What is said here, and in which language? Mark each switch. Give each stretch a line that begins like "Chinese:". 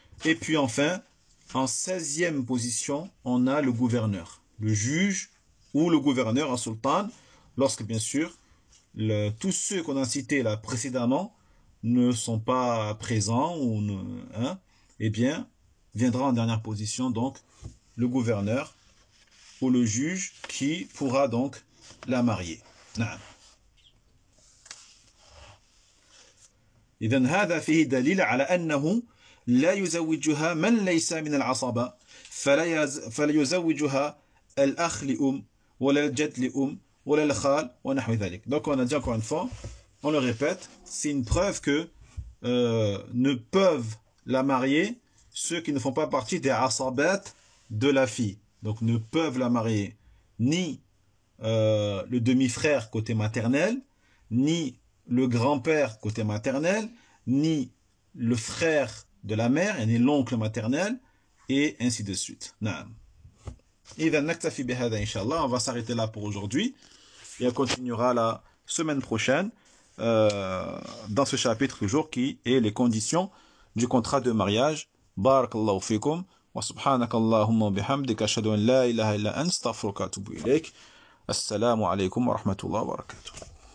French: Et puis, enfin, en 16e position, on a le gouverneur, le juge ou le gouverneur, un sultan, lorsque, bien sûr, tous ceux qu'on a cités là précédemment ne sont pas présents ou ne, hein, eh bien, viendra en dernière position donc le gouverneur ou le juge qui pourra donc la marier.
Arabic: Naam. إذن هذا فيه دليل على أنه لا يزوجها من ليس من العصبة فلا يزوجها الأخ لأم ولا الجد لأم ولا الخال ونحو ذلك.
French: Donc on a dit encore une fois, on le répète, c'est une preuve que ne peuvent la marier ceux qui ne font pas partie des asabat de la fille. Donc ne peuvent la marier ni le demi-frère côté maternel, ni le grand-père côté maternel, ni le frère de la mère, ni l'oncle maternel, et ainsi de suite.
Arabic: Naam. إذن نكتفي بهذا إن شاء الله.
French: On va s'arrêter là pour aujourd'hui. Et on continuera la semaine prochaine dans ce chapitre toujours qui est les conditions du contrat de mariage.
Arabic: بارك الله فيكم وسبحانك اللهم وبحمدك أشهد أن لا إله إلا أنت أستغفرك وأتوب إليك. السلام عليكم ورحمة الله وبركاته.